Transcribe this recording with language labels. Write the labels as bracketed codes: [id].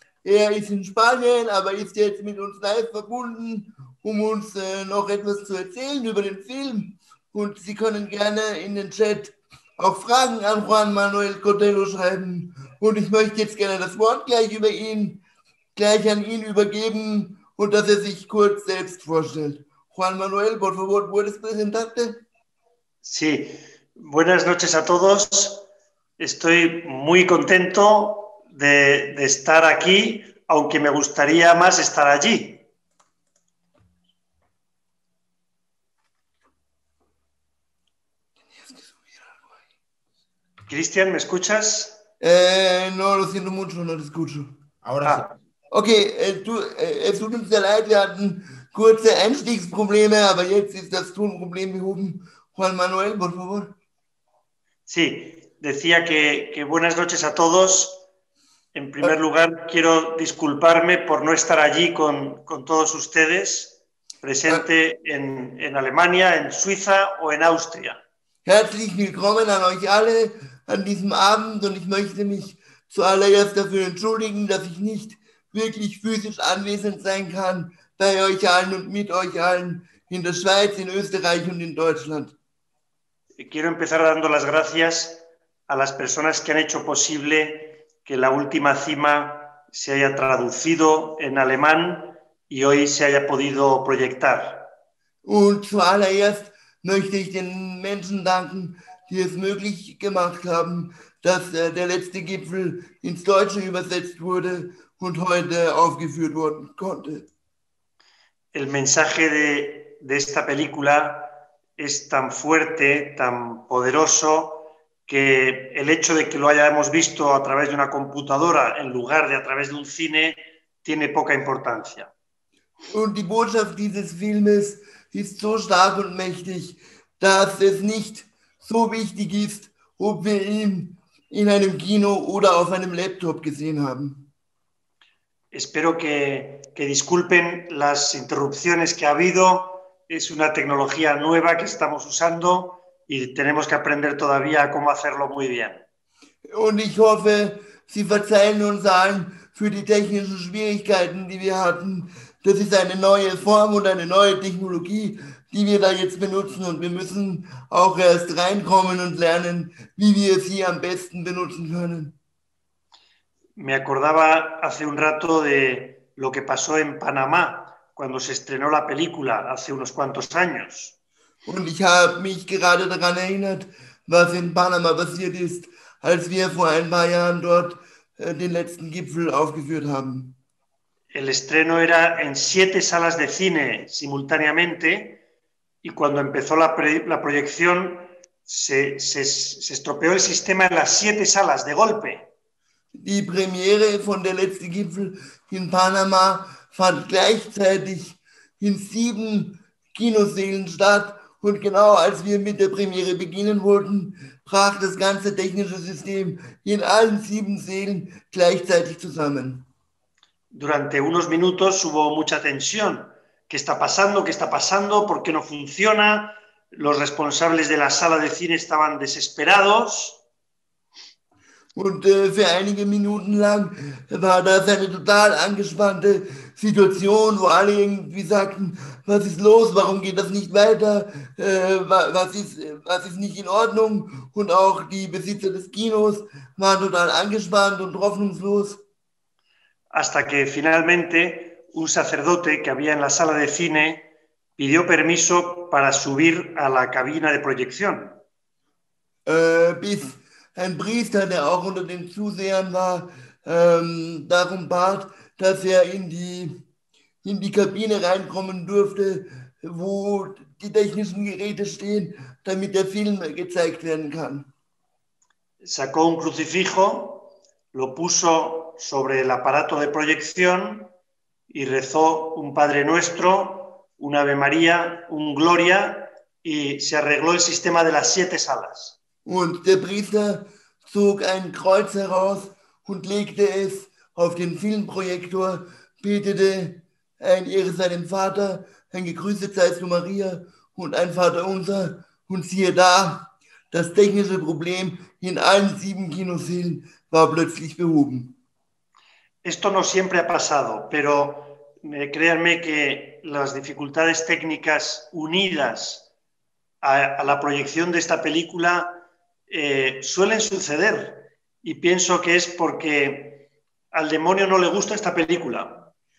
[de] Er ist in Spanien, aber ist jetzt mit uns live verbunden, um uns noch etwas zu erzählen über den Film. Und Sie können gerne in den Chat auch Fragen an Juan Manuel Cotelo schreiben. Und ich möchte jetzt gerne das Wort gleich an ihn übergeben und dass er sich kurz selbst vorstellt. [es] Juan Manuel, por favor, ¿puedes presentarte? Sí, buenas noches a todos. Estoy muy contento de estar aquí, aunque me gustaría más estar allí. Cristian, ¿me escuchas? No, lo siento mucho, no lo escucho. Ahora sí. Ah. [de] Ok, es tut uns sehr leid, wir hatten kurze Einstiegsprobleme, aber jetzt ist das Tonproblem behoben. [es] Juan Manuel, por favor. Sí, decía que buenas noches a todos. En primer lugar, quiero disculparme por no estar allí con todos ustedes, presente en Alemania, en Suiza o en Austria. [de] Herzlich willkommen an euch alle an diesem Abend und ich möchte mich zuallererst dafür entschuldigen, dass ich nicht wirklich physisch anwesend sein kann bei euch allen und mit euch allen in der Schweiz, in Österreich und in Deutschland. [es] Quiero empezar dando las gracias a las personas que han hecho posible que la última cima se haya traducido en alemán y hoy se haya podido proyectar. [de] Und zuallererst möchte ich den Menschen danken, die es möglich gemacht haben, dass der letzte Gipfel ins Deutsche übersetzt wurde und heute aufgeführt werden konnte. [es] El mensaje de esta película es tan fuerte, tan poderoso, que el hecho de que lo hayamos visto a través de una computadora en lugar de a través de un cine tiene poca importancia. [de] Und die Botschaft dieses Filmes ist so stark und mächtig, dass es nicht so wichtig ist, ob wir ihn in einem Kino oder auf einem Laptop gesehen haben. [es] Espero que disculpen las interrupciones que ha habido. Es una tecnología nueva que estamos usando y tenemos que aprender todavía cómo hacerlo muy bien. [de] Und ich hoffe, Sie verzeihen uns allen für die technischen Schwierigkeiten, die wir hatten. Das ist eine neue Form und eine neue Technologie, die wir da jetzt benutzen. Und wir müssen auch erst reinkommen und lernen, wie wir sie am besten benutzen können. [es] Me acordaba hace un rato de lo que pasó en Panamá, cuando se estrenó la película hace unos cuantos años. [de] Und ich habe mich gerade daran erinnert, was in Panama passiert ist, als wir vor ein paar Jahren dort den letzten Gipfel aufgeführt haben. [es] El estreno era en 7 salas de cine simultáneamente y cuando empezó la proyección se estropeó el sistema en las 7 salas de golpe. [de] Die Premiere von Der letzte Gipfel in Panama fand gleichzeitig in 7 Kinosälen statt. Und genau als wir mit der Premiere beginnen wollten, brach das ganze technische System in allen 7 Sälen gleichzeitig zusammen. [es] Durante unos minutos hubo mucha tensión. ¿Qué está pasando? ¿Qué está pasando? ¿Por qué no funciona? Los responsables de la sala de cine estaban desesperados. [de] Und für einige Minuten lang war das eine total angespannte Situation, wo alle irgendwie sagten, was ist los, warum geht das nicht weiter, was ist nicht in Ordnung. Und auch die Besitzer des Kinos waren total angespannt und hoffnungslos. [es] Hasta que finalmente un sacerdote que había en la sala de cine pidió permiso para subir a la cabina de proyección. [de] Bis ein Priester, der auch unter den Zusehern war, darum bat, dass er in die Kabine reinkommen durfte, wo die technischen Geräte stehen, damit der Film gezeigt werden kann. [es] Sacó un crucifijo, lo puso sobre el aparato de proyección y rezó un Padre Nuestro, un Ave María, un Gloria y se arregló el sistema de las 7 salas. [de] Und der Priester zog ein Kreuz heraus und legte es auf den Filmprojektor, betete ein Ehre sei dem Vater, ein Gegrüßet seist du Maria und ein Vater unser. Und siehe da, das technische Problem in allen 7 Kinosälen war plötzlich behoben. [es] Esto no siempre ha pasado, pero créanme que las dificultades técnicas unidas a la proyección de esta película suelen suceder. Y pienso que es porque al demonio no le gusta esta película.